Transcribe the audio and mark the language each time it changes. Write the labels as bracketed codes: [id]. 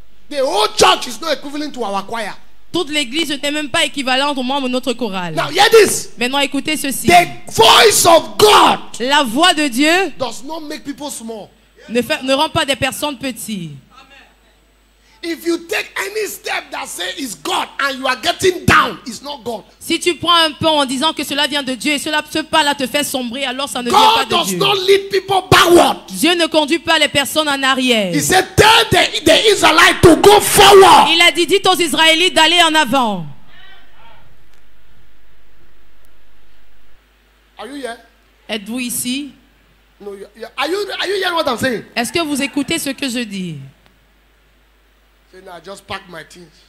[en] The whole church is not equivalent to our choir. [fr] Toute l'église n'était même pas équivalente aux membres de notre chorale. [en] Now, hear this. [fr] Maintenant, écoutez ceci. [en] The voice of God, [fr] la voix de Dieu, [en] does not make people small. [fr] Ne rend pas des personnes petites. [en] If you take any step that says it's God and you are getting down, it's not God. [fr] Si tu prends un pont en disant que cela vient de Dieu et cela ce pas là te fait sombrer, alors ça ne [en] God [fr] vient pas de [en] does [fr] Dieu. [en] Not lead people backward. [fr] Dieu ne conduit pas les personnes en arrière. [en] He said, tell the Israelites to go forward. [fr] Il a dit, dites aux Israélites d'aller en avant. [en] Are you here? [fr] Êtes-vous ici? [en] No, yeah. Are you hearing what I'm saying? [fr] Est-ce que vous écoutez ce que je dis? [en] Then I just pack my things.